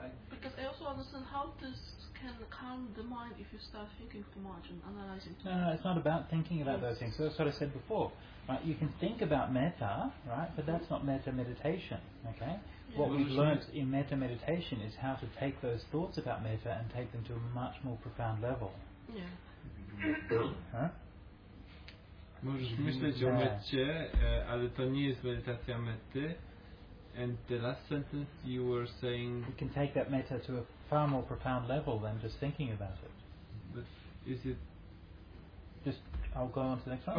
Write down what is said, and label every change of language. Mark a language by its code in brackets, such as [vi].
[en] Because I also understand how this can calm the mind if you start thinking too much and analyzing too much. No, it's not about thinking about those things. That's what I said before. Right? You can think about metta, right, but that's not metta meditation, okay? What we've learnt in metta meditation is how to take those thoughts about metta and take them to a much more profound level. Yeah. [pl] Możesz myśleć o metcie, ale to nie jest medytacja metty. [en] And the last sentence you were saying, we can take that metta to a far more profound level than just thinking about it. But is it just, I'll go on to the next one.